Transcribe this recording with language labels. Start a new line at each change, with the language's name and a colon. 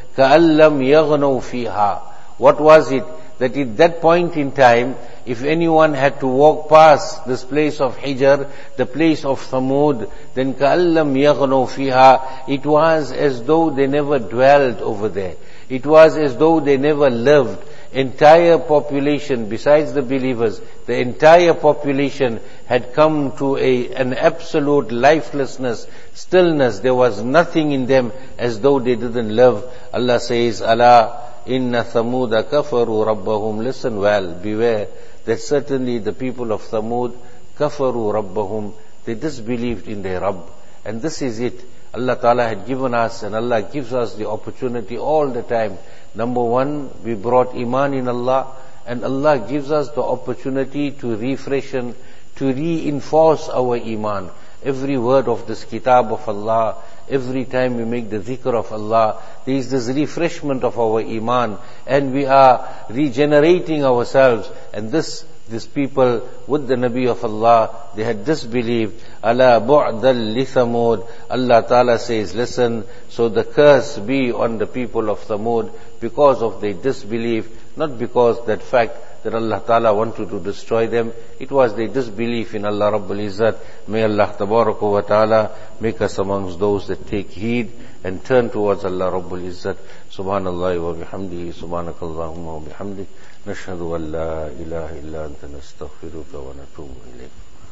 Arabic: Ka'allam yaghnaw fiha.
English: What was it? That at that point in time, if anyone had to walk past this place of Hijr, the place of Thamud, then
Arabic: ka'allam yaghnaw fiha,
English: it was as though they never dwelled over there. It was as though they never lived. Entire population, besides the believers, the entire population had come to an absolute lifelessness, stillness. There was nothing in them as though they didn't live. Allah says,
Arabic: Allah, إِنَّ ثَمُودَ كَفَرُوا رَبَّهُمْ.
English: Listen well, beware, that certainly the people of Thamud,
Arabic: كَفَرُوا رَبَّهُمْ,
English: they disbelieved in their Rabb. And this is it. Allah Ta'ala had given us, and Allah gives us the opportunity all the time. Number one, we brought iman in Allah, and Allah gives us the opportunity to refreshen, to reinforce our iman. Every word of this kitab of Allah, every time we make the dhikr of Allah, there is this refreshment of our iman, and we are regenerating ourselves. And this people with the Nabi of Allah, they had disbelieved.
Arabic: Ala bu'dal li Thamud.
English: Allah Ta'ala says, listen, so the curse be on the people of Thamud because of their disbelief, not because that fact that Allah Ta'ala wanted to destroy them. It was their disbelief in Allah Rabbul Izzat. May Allah Tabaraka wa Ta'ala make us amongst those that take heed and turn towards Allah Rabbul Izzat.
Arabic: Subhanallah wa bihamdihi, subhanakallahumma wa bihamdihi. نشهد أن لا إله إلا أنت نستغفرك ونتوب إليك.